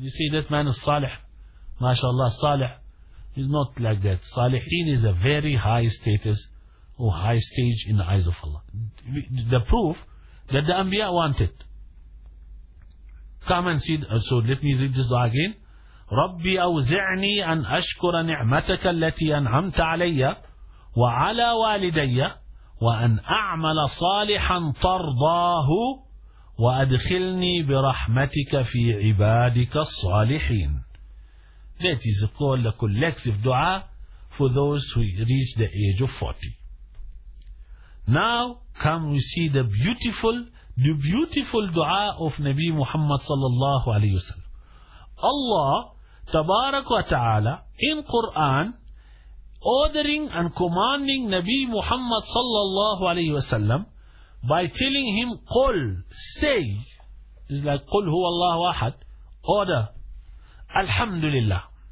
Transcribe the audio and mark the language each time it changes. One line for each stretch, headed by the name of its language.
English: You see, that man is salih. MashaAllah, salih is not like that. Salihin is a very high status or high stage in the eyes of Allah. The proof that the Anbiya wanted. Come and see. So let me read this dua again.
Arabic: ربي أوزعني أن أشكر نعمتك التي أنعمت علي وعلى والدي وأن أعمل صالحا ترضاه وأدخلني برحمتك في عبادك الصالحين.
English: That is called a collective dua for those who reach the age of 40. Now come we see the beautiful dua of Nabi Muhammad sallallahu alayhi wasallam. Allah Tabarak wa ta'ala in Quran ordering and commanding Nabi Muhammad sallallahu alayhi wa sallam by telling him qul, say, is like
Arabic: qul huwa Allahu ahad,
English: order alhamdulillah.